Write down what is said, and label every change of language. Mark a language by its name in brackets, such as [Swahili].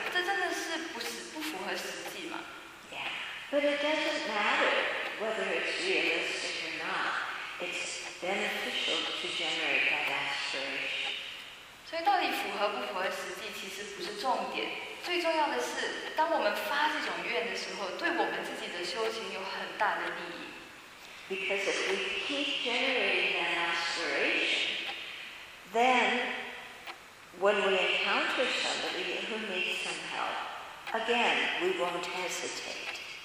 [Chinese] 所以当我们听到大菩萨说，我唯一我一个人就会下地狱，使所有地狱的众生离苦，从地狱出火坑，那我们心里会想，这真的是不符合实际吗？ [English] But it doesn't matter whether it's realistic or not. It's beneficial to generate that aspiration. [Chinese] 所以到底符合不符合实际其实不是重点。最重要的是，当我们发这种愿的时候，对我们自己的修行有很大的利益。 [English] Because if we keep generating that aspiration, then when we encounter somebody who needs some help, again, we won't hesitate.